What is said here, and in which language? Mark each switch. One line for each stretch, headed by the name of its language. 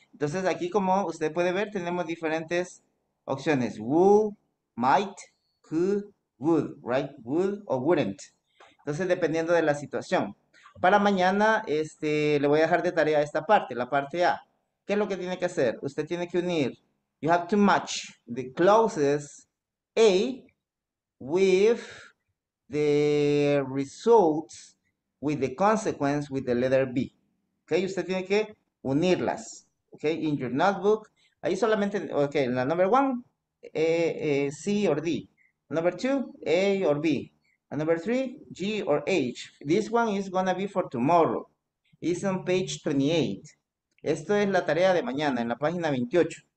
Spanish: Entonces aquí como usted puede ver, tenemos diferentes opciones.
English: Would, might, could, would, right? Would or wouldn't.
Spanish: Entonces dependiendo de la situación. Para mañana le voy a dejar de tarea esta parte, la parte A. ¿Qué es lo que tiene que hacer? Usted tiene que unir.
English: You have to match the clauses A with the results, with the consequence, with the letter B.
Spanish: ¿Ok? Usted tiene que unirlas. ¿Ok?
English: In your notebook.
Spanish: Ahí solamente, ok, la
English: number one, C or D. Number two, A or B. And number three, G or H. This one is going to be for tomorrow. It's on page 28.
Spanish: Esto es la tarea de mañana, en la página 28.